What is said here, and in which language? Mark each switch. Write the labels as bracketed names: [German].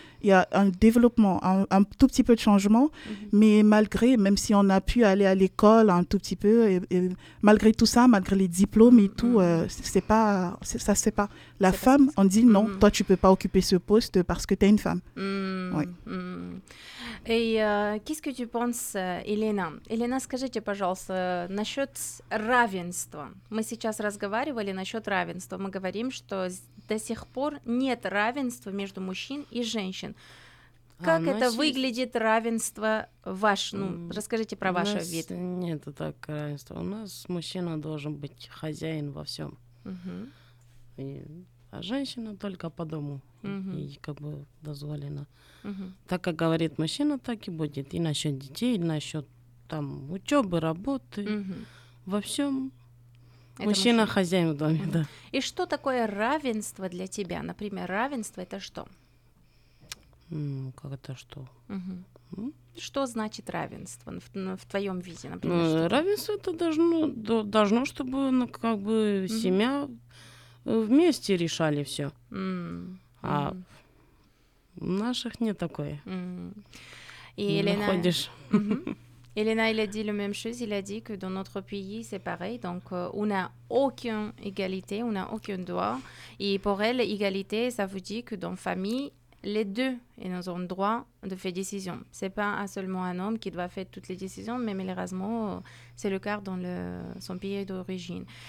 [French] Il y a un développement, un tout petit peu de changement, mm-hmm. mais malgré, même si on a pu aller à l'école un tout petit peu, et malgré tout ça, malgré les diplômes et tout, mm-hmm. Ça ne se fait pas. La c'est femme, pas on dit non, mm-hmm. toi tu ne peux pas occuper ce poste parce que tu es une femme. Mm-hmm. Oui. Mm-hmm. Et qu'est-ce que tu penses, Елена? [Russian] Елена, скажите, пожалуйста, насчет равенства. Мы сейчас разговаривали насчет равенства. Мы говорим, что до сих пор нет равенства между мужчин и женщин. Как это есть... выглядит равенство ваш? Ну, расскажите про ваш вид. Нет, это так равенство. У нас мужчина должен быть хозяин во всем, uh-huh. А женщина только по дому. Uh-huh. И как бы дозволено. Uh-huh. Так как говорит мужчина, так и будет. И насчет детей, и насчет там учебы, работы, uh-huh. во всем. Мужчина хозяин в доме, uh-huh. да. И что такое равенство для тебя? Например, равенство это что? Ну, как это что? Uh-huh. Что значит равенство в твоем виде, например? Равенство это должно, чтобы ну, как бы uh-huh. семья вместе решали все. Uh-huh. А у наших нет такое. Mm-hmm. И не Елена... находишь. Mm-hmm. [French] Елена, il a dit la même chose. Il a dit que dans notre pays, c'est pareil. Donc, on n'a aucune égalité, on n'a aucun droit. Et pour elle, égalité, ça vous dit que dans famille, les deux ils ont le droit de faire des décisions. Ce n'est pas seulement un homme qui doit faire toutes les décisions, mais malheureusement, c'est le cas dans son pays d'origine.